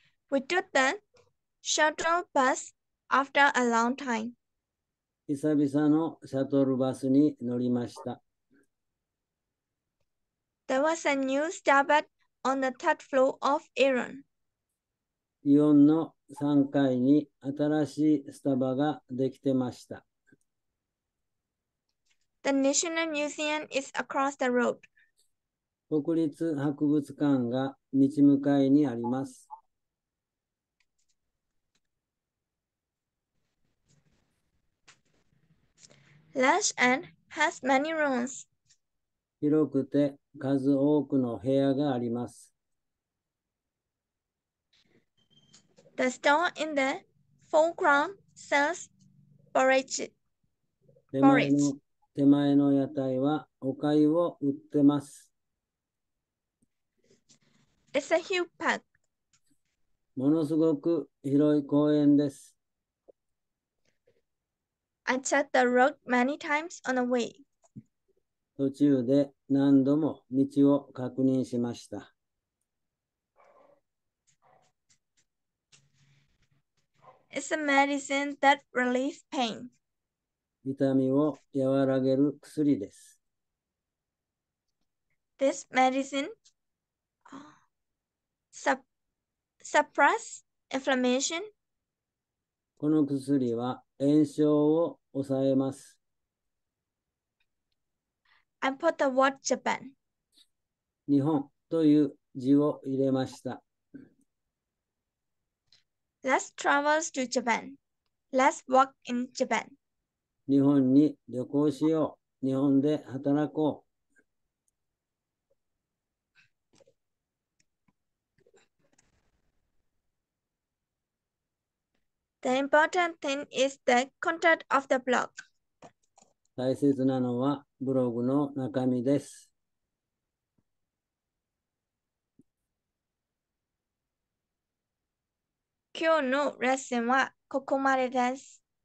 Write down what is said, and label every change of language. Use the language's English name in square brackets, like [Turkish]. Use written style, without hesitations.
[English] We took the shuttle bus after a long time. [Japanese] 久々のシャトルバスに乗りました。 [English] There was a new Starbucks on the third floor of Iron. [Japanese] Ion の3階に新しいスタバができてました。 [English] The National Museum is across the road. [Japanese] 国立博物館が道向かいにあります。 [English] Large and has many rooms. [Japanese] 広くて数多くの部屋があります。 [English] The store in the foreground sells porridge. [Japanese] 手前の屋台はおかゆを売ってます。 [English] It's a huge park. [Japanese] ものすごく広い公園です。 [English] I checked the road many times on the way. [Japanese] 途中で何度も道を確認しました。 [English] It's a medicine that relieves pain. [Japanese] 痛みを和らげる薬です。 [English] This medicine suppress inflammation. [Japanese] この薬は炎症を抑えます。 [English] I put the word Japan. [Japanese] 日本という字を入れました。 [English] Let's travel to Japan. Let's work in Japan. [Japanese] 日本に旅行しよう。日本で働こう。 [English] The important thing is the content of the blog. [Japanese] 大大切なのはブログの中身です。今日のレッスンはここまでです。